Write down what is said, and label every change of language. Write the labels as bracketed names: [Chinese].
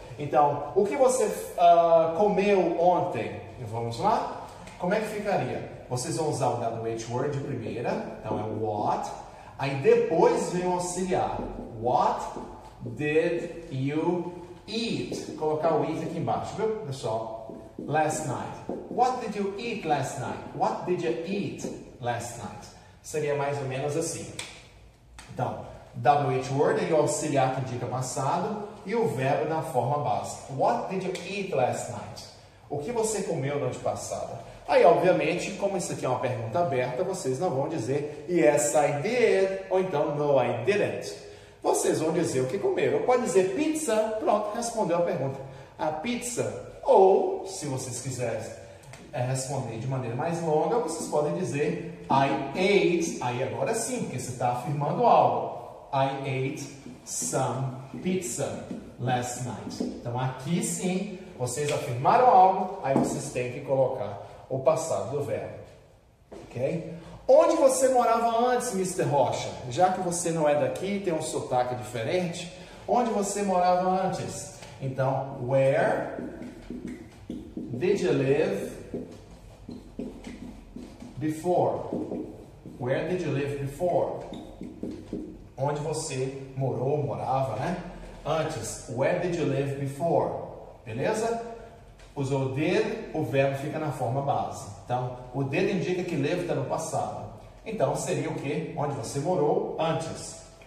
[Portuguese] Então, o que você comeu ontem? Vamos lá? Como é que ficaria? Vocês vão usar o WH word de primeira, então é what. Aí depois vem o auxiliar. [English] What did you eat? [Portuguese] Colocar o eat aqui embaixo, viu, pessoal? [English] Last night. What did you eat last night? What did you eat last night? [Portuguese] Seria mais ou menos assim. Então, WH word é o auxiliar que indica passado e o verbo na forma base. [English] What did you eat last night? [Portuguese] O que você comeu noite passada? Aí, obviamente, como isso aqui é uma pergunta aberta, vocês não vão dizer [English] yes, I did, [Portuguese] ou então [English] no, I didn't. [Portuguese] Vocês vão dizer o que comeram. Pode dizer pizza, pronto, respondeu a pergunta. A pizza. Ou, se vocês quiserem responder de maneira mais longa, vocês podem dizer [English] I ate. [Portuguese] Aí agora sim, porque você está afirmando algo. [English] I ate some pizza last night. [Portuguese] Então aqui sim, vocês afirmaram algo, aí vocês têm que colocar o passado do verbo. Ok? Onde você morava antes, Mr. Rocha? Já que você não é daqui, tem um sotaque diferente. Onde você morava antes? [English] Então, where did you live before? Where did you live before? [Portuguese] Onde você morou, morava, né? [English] Antes, where did you live before? [Portuguese] Beleza? Usou did, o verbo fica na forma base. Então, o did indica que live está no passado. Então, seria o quê? Onde você morou antes.